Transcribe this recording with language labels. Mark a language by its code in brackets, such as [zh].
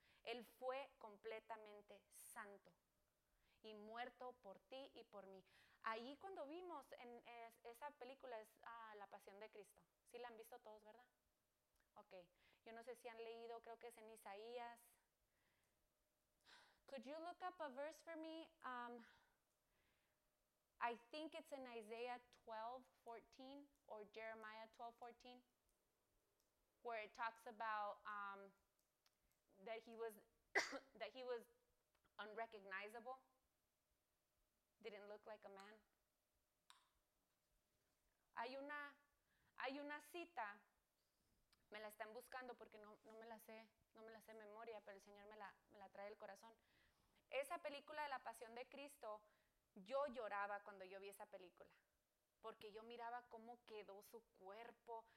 [es] Él fue completamente santo y muerto por ti y por mí. Ahí cuando vimos en esa película es La Pasión de Cristo. ¿Sí la han visto todos, verdad? Ok, yo no sé si han leído, creo que es en Isaías. [en] Could you look up a verse for me? I think it's in Isaiah 12:14 or Jeremiah 12:14, where it talks about that he was unrecognizable, didn't look like a man. [es] Hay una cita, me la están buscando porque no me la sé memoria, pero el Señor me la trae del corazón. Esa película de La Pasión de Cristo, yo lloraba cuando yo vi esa película, porque yo miraba cómo quedó su cuerpo.